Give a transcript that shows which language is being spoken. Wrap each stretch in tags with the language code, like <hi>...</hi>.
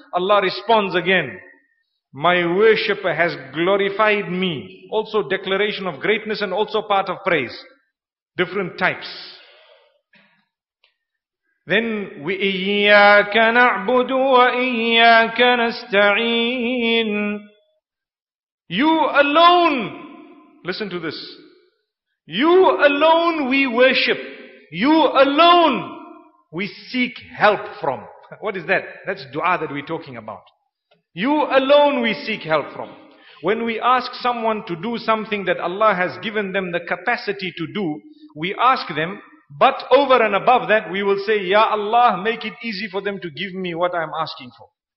<en>Allah responds again, my worshipper has glorified me. Also declaration of greatness and also part of praise. Different types. Then we</en> <ar>إِيَّاكَ نَعْبُدُ وَإِيَّاكَ نَسْتَعِينَ.</ar> <en>You alone, listen to this. You alone we worship. You alone we seek help from. What is that? That's dua that we're talking about. You alone we seek help from. When we ask someone to do something that Allah has given them the capacity to do, we ask them, but over and above that, we will say, Ya Allah, make it easy for them to give me what I'm asking for.</en>